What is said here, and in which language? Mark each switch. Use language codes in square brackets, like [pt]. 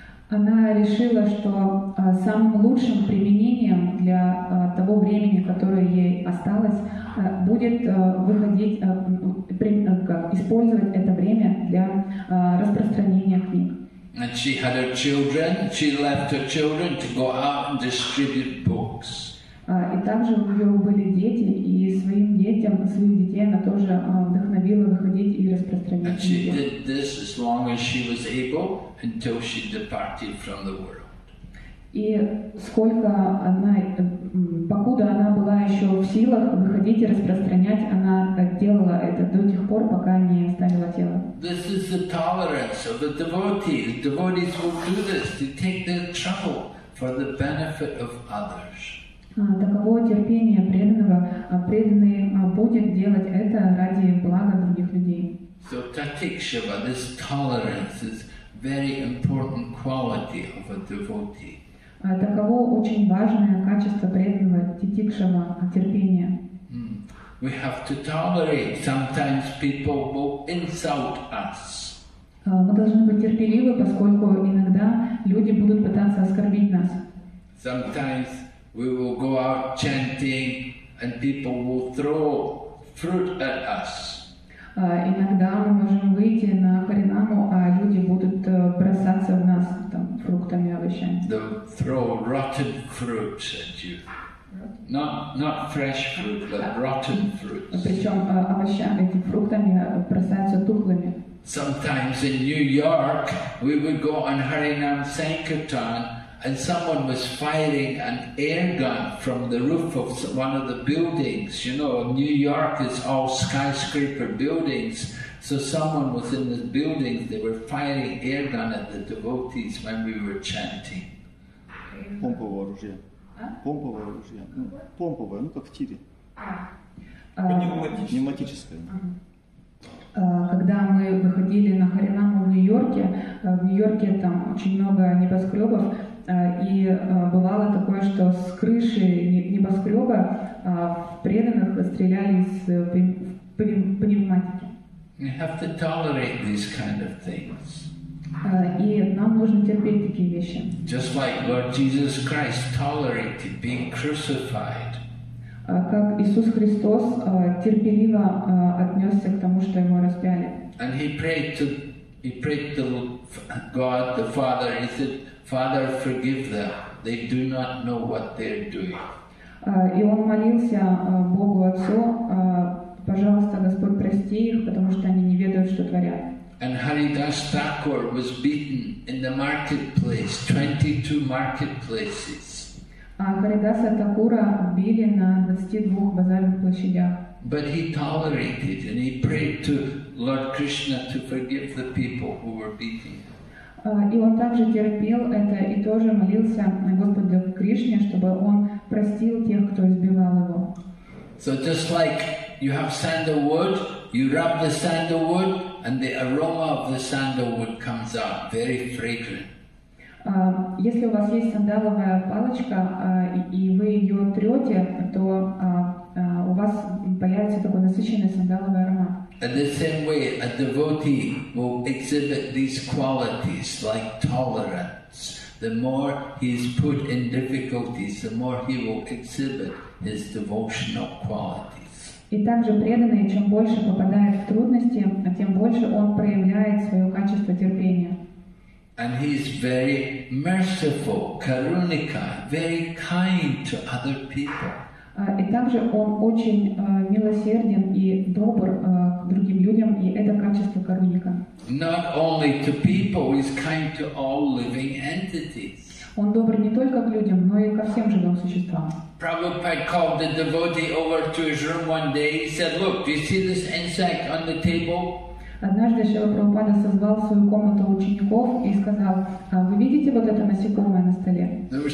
[ru] Она решила, что самым лучшим применением для того времени, которое ей осталось, будет использовать это время для распространения книг. [en] And she had her children, she left her children to go out and distribute books. [ru] И также у нее были дети, и своих детей она тоже вдохновила выходить и распространять. [en] And she did this as long as she was able, until she departed from the world. [ru] И сколько она, покуда она была еще в силах выходить и распространять, она делала это до тех пор, пока не оставила тело. [en] This is the tolerance of the devotee. The devotees will do this to take their trouble for the benefit of others. [ru] Таково терпение преданного. Преданный будет делать это ради блага других людей. [en] So tatikshava, this tolerance, is very important quality of a devotee. [ru] Таково очень важное качество преданного титикшама – терпения. [en] We have to tolerate. Sometimes people will insult us. [ru] Мы должны быть терпеливы, поскольку иногда люди будут пытаться оскорбить нас. [en] Sometimes we will go out chanting, and people will throw fruit at us. [ru] Иногда мы можем выйти на харинаму, а люди будут бросаться в нас там фруктами, овощами. [en] They'll throw rotten fruits at you. Not fresh fruit, but rotten fruits. [ru] Причем овощами, этими фруктами бросаются тухлыми. [en] Sometimes in New York, we would go on Harinam Sankirtan, and someone was firing an air gun from the roof of one of the buildings. You know, New York is all skyscraper buildings. So someone was in the buildings, they were firing air gun at the devotees when we were chanting. [ru] Помповое оружие. Помповое оружие. Помповое, ну как в тире. Пневматическое. Когда мы выходили на харинаму в Нью-Йорке там очень много небоскребов, и бывало такое, что с крыши небоскреба преданных стреляли из пневматики. [en] We have to tolerate these kind of things. [ru] И нам нужно терпеть такие вещи. [en] Just like Lord Jesus Christ tolerated being crucified. [ru] Как Иисус Христос терпеливо отнесся к тому, что Его распяли. [en] And he prayed to God, the Father, and he said, Father, forgive them. They do not know what they're doing. [ru] И он молился Богу Отцу, пожалуйста, Господь, прости их, потому что они не ведают, что творят. [en] And Haridas Thakur was beaten in the marketplace, 22 marketplaces. [ru] Харидаса Такура били на 22 базарных площадях. [en] But he tolerated and he prayed to Lord Krishna to forgive the people who were beating him. [ru] И он также терпел это и тоже молился на Господа Кришне, чтобы он простил тех, кто избивал его. [en] So just like you have sandalwood, you rub the sandalwood and the aroma of the sandalwood comes out very fragrant. [ru] Если у вас есть сандаловая палочка, и вы ее трете, то у вас появится такой насыщенный сандаловый аромат. [en] In the same way, a devotee will exhibit these qualities like tolerance. The more he is put in difficulties, the more he will exhibit his devotional qualities. [ru] И также преданный, чем больше попадает в трудности, тем больше он проявляет свое качество терпения. [en] And he is very merciful, karunika, very kind to other people. [ru] И также он очень милосерден и добр к другим людям, и это качество карунника. [en] Not only to people, he is kind to all living entities. [ru] Он добр не только к людям, но и ко всем живым существам. [en] Prabhupada called the devotee over to his room one day. He said, "Look, do you see this insect on the table?" [ru] Однажды Шрила Прабхупада созвал в свою комнату учеников и сказал, «Вы видите вот это насекомое на столе?»